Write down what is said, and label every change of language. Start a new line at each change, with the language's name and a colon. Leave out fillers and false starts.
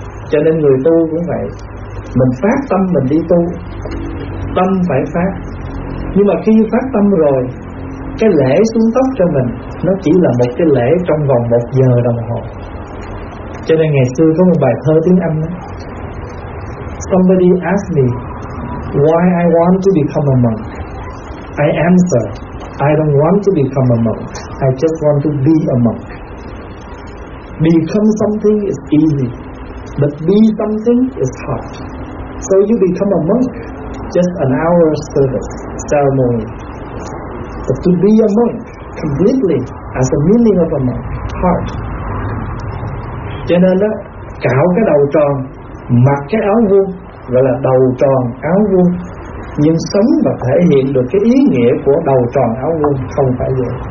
Vietnamese: Cho nên người tu cũng vậy, mình phát tâm mình đi tu, tâm phải phát. Nhưng mà khi phát tâm rồi, cái lễ xuống tóc cho mình nó chỉ là một cái lễ trong vòng một giờ đồng hồ. Cho nên ngày xưa có một bài thơ tiếng Anh đó.
English: Somebody asked me why I want to become a monk. I answer, I don't want to become a monk. I just want to be a monk. Become something is easy, but be something is hard. So you become a monk, just an hour service, ceremony. But to be a monk completely, as the meaning of a monk, hard.
Vietnamese: Cho nên đó, cạo cái đầu tròn, mặc cái áo vuông, gọi là đầu tròn áo vuông, nhưng sống và thể hiện được cái ý nghĩa của đầu tròn áo vuông không phải dễ.